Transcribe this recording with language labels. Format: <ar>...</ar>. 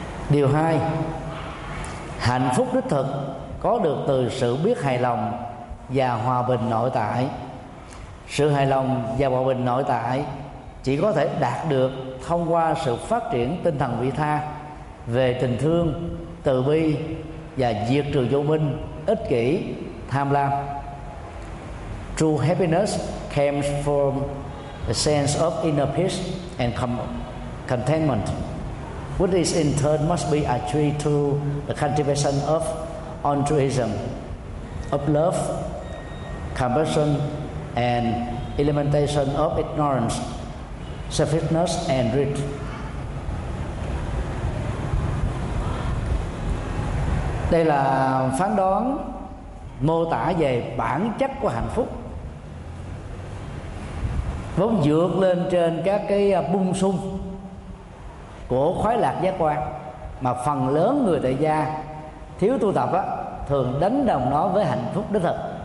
<vi>Điều hai, hạnh phúc đích thực có được từ sự biết hài lòng và hòa bình nội tại. Sự hài lòng và hòa bình nội tại chỉ có thể đạt được thông qua sự phát triển tinh thần vị tha về tình thương, từ bi và diệt trừ vô minh, ích kỷ, tham lam.</vi> <en>True happiness comes from a sense of inner peace and contentment, which is in turn must be attributed to the cultivation of altruism, of love, compassion, and elimination of ignorance, selfishness, and greed.</en> <vi>Đây là phán đoán mô tả về bản chất của hạnh phúc, vốn vượt lên trên các cái bung sung của khoái lạc giác quan mà phần lớn người tại gia thiếu tu tập á thường đánh đồng nó với hạnh phúc đích thực.</vi>